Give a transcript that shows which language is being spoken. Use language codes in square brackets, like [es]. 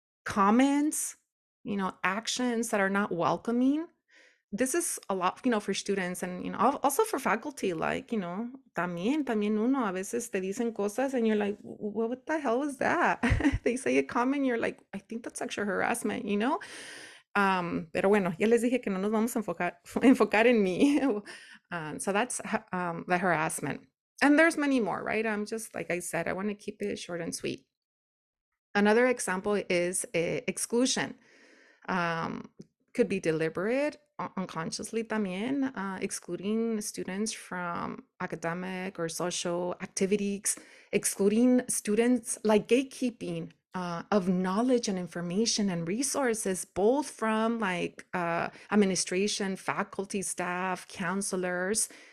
[en] comments, you know, actions that are not welcoming. This is a lot, you know, for students and, you know, also for faculty, like, you know, [es] también uno, a veces te dicen cosas [en] and you're like, what the hell was that? They say a comment, you're like, I think that's sexual harassment, you know? [es] Pero bueno, ya les dije que no nos vamos a enfocar en mí. [en] So that's the harassment. And there's many more, right? I'm just, like I said, I want to keep it short and sweet. Another example is exclusion. Could be deliberate, unconsciously también, excluding students from academic or social activities, excluding students, like gatekeeping of knowledge and information and resources, both from like administration, faculty, staff, counselors.